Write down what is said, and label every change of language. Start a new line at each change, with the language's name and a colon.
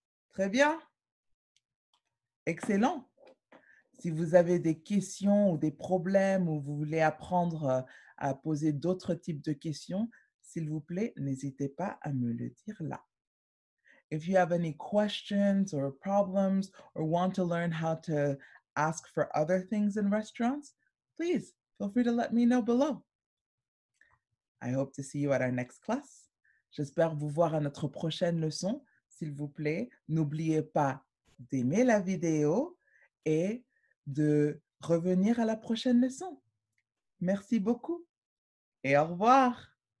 French: Très bien. Excellent. Si vous avez des questions ou des problèmes ou vous voulez apprendre à poser d'autres types de questions, s'il vous plaît, n'hésitez pas à me le dire là.
English: If you have any questions or problems or want to learn how to ask for other things in restaurants, please feel free to let me know below. I hope to see you at our next class.
French: J'espère vous voir à notre prochaine leçon. S'il vous plaît, n'oubliez pas d'aimer la vidéo et de revenir à la prochaine leçon. Merci beaucoup et au revoir.